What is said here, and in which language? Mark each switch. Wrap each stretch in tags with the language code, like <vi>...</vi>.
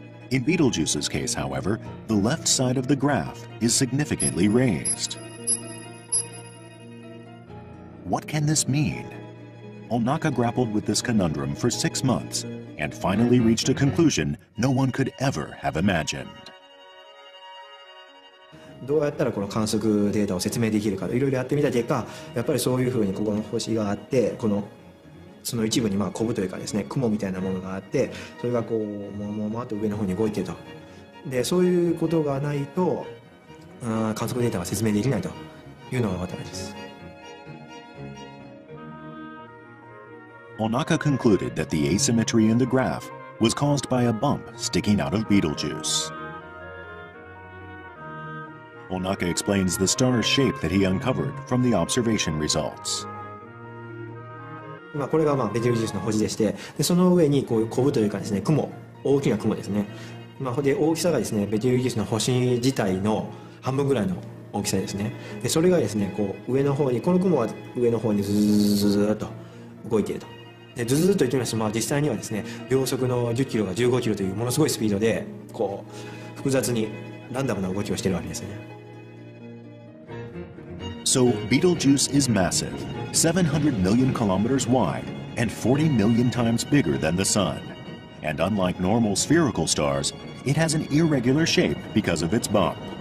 <en>In Betelgeuse's case, however, the left side of the graph is significantly raised. What can this mean? Onaka grappled with this conundrum for 6 months and finally reached a conclusion no one could ever have imagined.</en> <ja>どうやったらこの観測データを説明できるかいろいろやってみた結果、やっぱりそういうふうにここの星があって、このその一部にまあコブというかですね、雲みたいなものがあって、それがこうもわもわと上の方に動いていると。で、そういうことがないと、観測データは説明できないというのが分かるんです。</ja> <en>Onaka concluded that the asymmetry in the graph was caused by a bump sticking out of Betelgeuse. Onaka explains the star's shape that he uncovered from the observation results.</en> <ja>まあこれがまあベテルギウスの星でして、でその上にこういうコブというかですね、雲、大きな雲ですね。まあで大きさがですね、ベテルギウスの星自体の半分ぐらいの大きさですね。でそれがですね、こう上の方にこの雲は上の方にずーずーずーずーずーと動いていると。でずずずと言ってみますと、まあ、実際にはですね、秒速の10キロが15キロというものすごいスピードでこう複雑にランダムな動きをしているわけですね。</ja> <en>So Betelgeuse is massive, 700 million kilometers wide and 40 million times bigger than the Sun. And unlike normal spherical stars, it has an irregular shape because of its bump.</en>